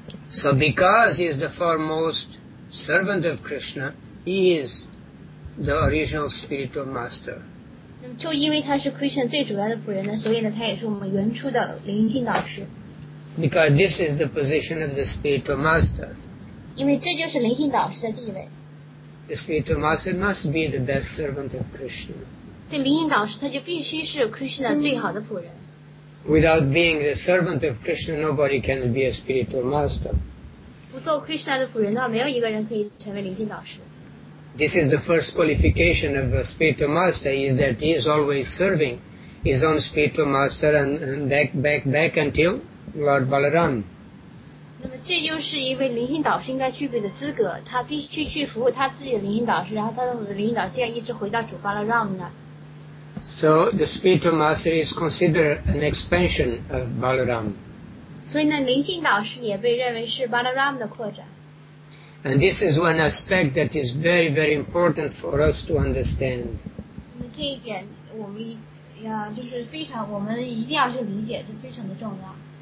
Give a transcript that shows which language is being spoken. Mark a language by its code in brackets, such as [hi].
[en] So because he is the foremost servant of Krishna, he is the original spiritual master. [zh] 就因为他是 Krishna 最主要的仆人呢，所以呢，他也是我们原初的灵性导师。 [en] Because this is the position of the spiritual master. [zh] 因为这就是灵性导师的地位。 [en] The spiritual master must be the best servant of Krishna. [zh] 所以灵性导师他就必须是 Krishna 最好的仆人。 [en] Without being the servant of Krishna, nobody can be a spiritual master. [zh] 不做 Krishna 的仆人的话，没有一个人可以成为灵性导师。 [en] This is the first qualification of a spiritual master, is that he is always serving his own spiritual master and back until Lord Balaram. [zh] 那么这就是一位灵性导师应该具备的资格，他必须去服务他自己的灵性导师，然后他的灵性导师这样一直回到主巴拉拉姆那。 [en] So the spiritual master is considered an expansion of Balaram. [zh] 所以呢，灵性导师也被认为是巴拉拉姆的扩展。 [en] And this is one aspect that is very, very important for us to understand. [zh] 那么这一点我们就是非常，我们一定要去理解，就非常的重要。